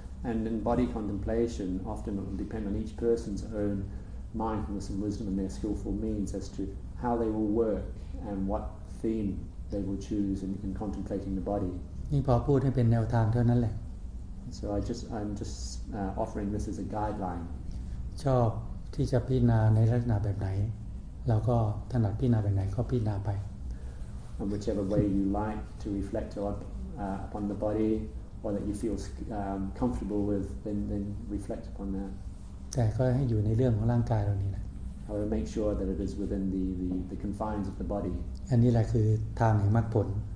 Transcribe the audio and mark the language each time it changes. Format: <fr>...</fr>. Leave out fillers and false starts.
<en>And in body contemplation, often it will depend on each person's ownmindfulness and wisdom and their skillful means as to how they will work and what theme they will choose in contemplating the body.</en> <th>นี่พอพูดให้เป็นแนวทางเท่านั้นแหละ</th> <en>So I'm just offering this as a guideline.</en> <th>ชอบที่จะพิจารณาในลักษณะแบบไหนเราก็ถนัดพิจารณาแบบไหนก็พิจารณาไป</th> <en>And whichever way you like to reflect upon the body or that you feel comfortable with then reflect upon that.</en> <th>แต่ก็ให้อยู่ในเรื่องของร่างกายเรานี่แหละ</th> <en>I will make sure that it is within the confines of the body</en> <th>อันนี้แหละคือทางแห่งมรรคผล</th>